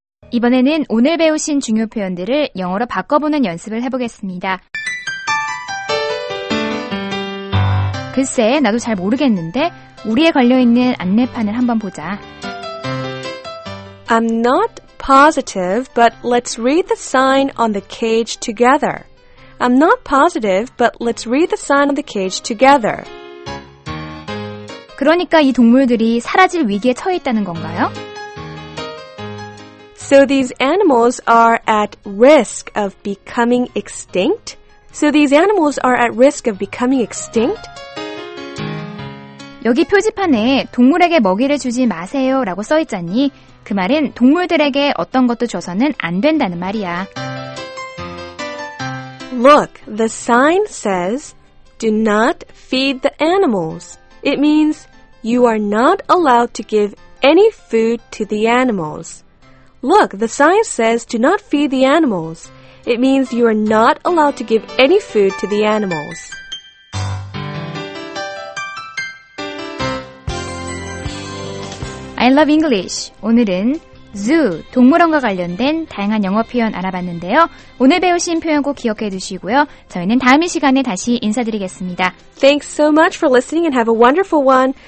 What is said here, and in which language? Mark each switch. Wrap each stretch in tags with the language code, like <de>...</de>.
<ko>이번에는 오늘 배우신 중요 표현들을 영어로 바꿔보는 연습을 해보겠습니다. 글쎄, 나도 잘 모르겠는데 우리에 걸려있는 안내판을 한번 보자.</ko> <en>I'm not positive, but let's read the sign on the cage together. I'm not positive, but let's read the sign on the cage together.</en> <ko>그러니까 이 동물들이 사라질 위기에 처해 있다는 건가요?</ko> <en>So these animals are at risk of becoming extinct? So these animals are at risk of becoming extinct?</en> <ko>여기 표지판에 동물에게 먹이를 주지 마세요 라고 써 있잖니. 그 말은 동물들에게 어떤 것도 줘서는 안 된다는 말이야.</ko> <en>Look, the sign says, do not feed the animals. It means you are not allowed to give any food to the animals. Look, the sign says do not feed the animals. It means you are not allowed to give any food to the animals. 'I love English.'</en> <ko>오늘은 zoo, 동물원과 관련된 다양한 영어 표현 알아봤는데요. 오늘 배우신 표현 꼭 기억해 두시고요. 저희는 다음 이 시간에 다시 인사드리겠습니다.</ko> <en>Thanks so much for listening and have a wonderful one.</en>